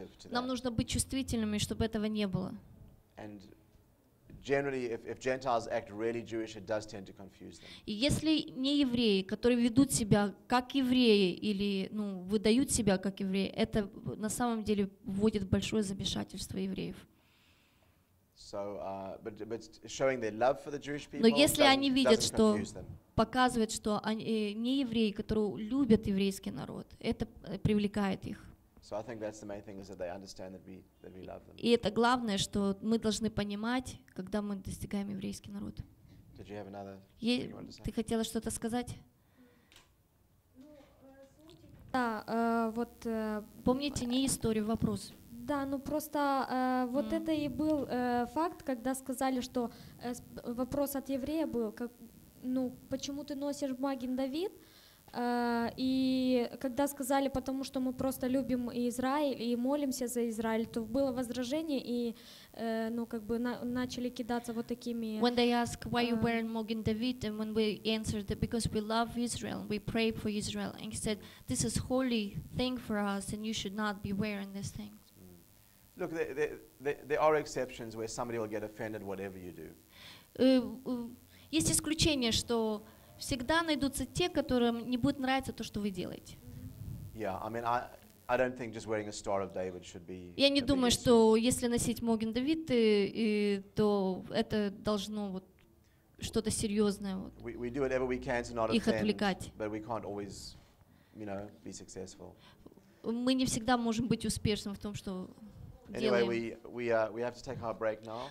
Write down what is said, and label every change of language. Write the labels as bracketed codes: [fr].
[ru] Нам нужно быть чувствительными, чтобы этого не было. [en] Generally, if Gentiles act really Jewish, it does tend to confuse them. [ru] Если не евреи, которые ведут себя как евреи или ну выдают себя как евреи, это на самом деле вводит большое замешательство евреев. [en] So, but showing their love for the Jewish people. [ru] Но если они видят, что показывает, что они не евреи, которые любят еврейский народ, это привлекает их. [en] So I think that's the main thing is that they understand that we love them. [ru] И это главное, что мы должны понимать, когда мы достигаем еврейский народ. [en] Did you have another? [ru] Ты хотела что-то сказать? Да, вот помните не историю, вопрос. Да, ну просто вот это и был факт, когда сказали, что вопрос от еврея был, как, ну почему ты носишь Магин Давид? И когда сказали, потому что мы просто любим Израиль и молимся за Израиль, то было возражение и, ну, как бы начали кидаться вот такими. [en] When they ask why you wearing Magen David, and when we answered that because we love Israel, we pray for Israel, and he said this is holy thing for us, and you should not be wearing this thing. Look, there are exceptions where somebody will get offended whatever you do. [ru] Есть исключение, что всегда найдутся те, которым не будет нравиться то, что вы делаете. [en] Yeah, I mean, I don't think just wearing a Star of David should be. [ru] Я не думаю, что если носить Могин Давид, то это должно вот что-то серьезное вот. [en] We do whatever we can to not [ru] их отвлекать. [en] But we can't always, you know, be successful. [ru] Мы не всегда можем быть успешным в том, что делаем. [en] Anyway, we have to take our break now.